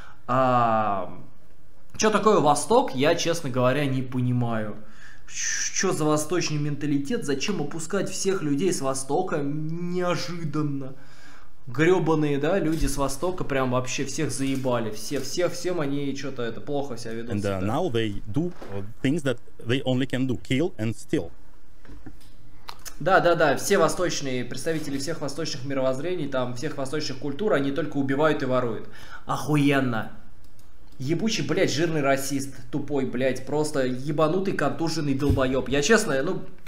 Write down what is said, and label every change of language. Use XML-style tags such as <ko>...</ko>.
<ru>А что такое Восток, я, честно говоря, не понимаю. Что за восточный менталитет? Зачем опускать всех людей с Востока неожиданно? Гребаные, да, люди с Востока прям вообще всех заебали. Всем они что-то это плохо себя ведут.</ru> <en>And now they do things that they only can do: kill and steal.</en> <ru>Да, все восточные представители всех восточных мировоззрений, там всех восточных культур, они только убивают и воруют. Охуенно! Ебучий, блядь, жирный расист, тупой, блядь, просто ебанутый, контуженный долбоеб. Я честно, ну...</ru>